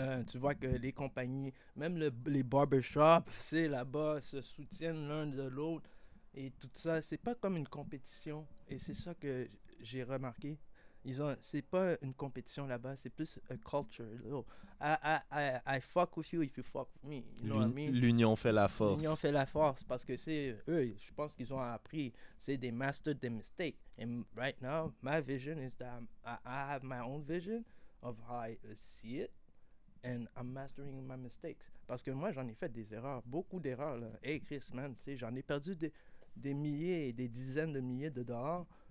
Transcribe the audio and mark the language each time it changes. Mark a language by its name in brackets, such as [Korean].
[French] Tu vois que les compagnies, même les barbershops, c'est là-bas, se soutiennent l'un de l'autre. Et tout ça, c'est pas comme une compétition. Et c'est ça que j'ai remarqué. C'est pas une compétition là-bas, c'est plus [English] a culture. I fuck with you if you fuck me. [French] L'union fait la force. L'union fait la force parce que c'est eux, je pense qu'ils ont appris. C'est des masters des mistakes. [English] And right now, my vision is that I have my own vision of how I see it. And I'm mastering my mistakes. [French] Parce que moi, j'en ai fait des erreurs, beaucoup d'erreurs. Là. Hey Chris, man, j'en ai perdu des milliers et des dizaines de milliers de dollars.